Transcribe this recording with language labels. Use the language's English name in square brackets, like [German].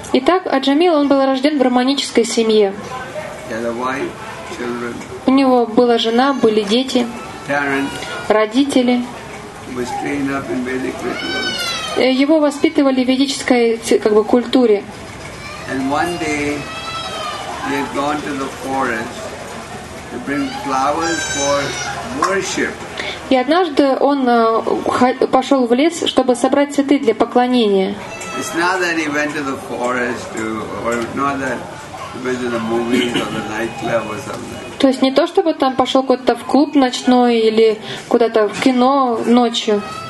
[Russian] Итак, Аджамил, он был рожден в брахманической семье. [English] He had a wife, children. [Russian] У него была жена, были дети. [English] Parents. [Russian] Родители. [English] Was trained up in Vedic rituals. [Russian] Его воспитывали в ведической, как бы, культуре. [English] And one day he had gone to the forest to bring flowers for worship. [Russian] И однажды он пошел в лес, чтобы собрать цветы для поклонения. [English] It's not that he went to the forest to, or not that he went to the movies or the nightclub or something. [Russian] То есть не то, чтобы там пошел куда-то в клуб ночной или куда-то в кино ночью.